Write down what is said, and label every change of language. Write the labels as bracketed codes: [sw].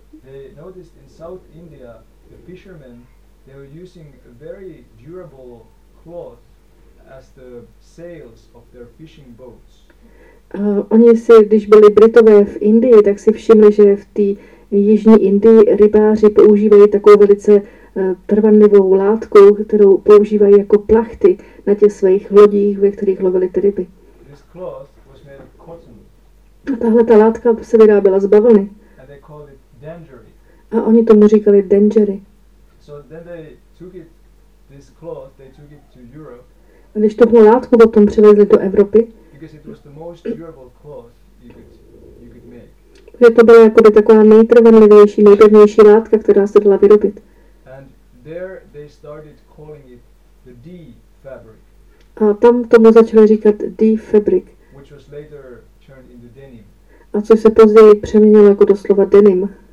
[en] They noticed in South India the fishermen, they were using a very durable cloth as the sails of their fishing boats. [cs] Oni si, když byli Britové v Indii, tak si všimli, že v té jižní Indii rybáři používají takovou velice trvanlivou látku, kterou používají jako plachty na těch svých lodích, ve kterých lovili ty ryby. [en] This cloth was made of cotton. [cs] A tahle ta látka se vyráběla z bavlny. [en] And they called it dangerous. [cs] A oni tomu říkali dangery. [en] So then they took it, this cloth, they took it to Europe. [cs] A když tohle látku potom přivezli do Evropy. [en] Because it was the most durable cloth you could make. [cs] Protože to byla jakoby taková nejtrvanlivější, nejpevnější látka, která se dala vyrobit. [en] And there they started calling it the D fabric. [cs] A tam tomu začali říkat D fabric. [en] Which was later turned into denim. [cs] A což se později přeměnilo jako doslova denim.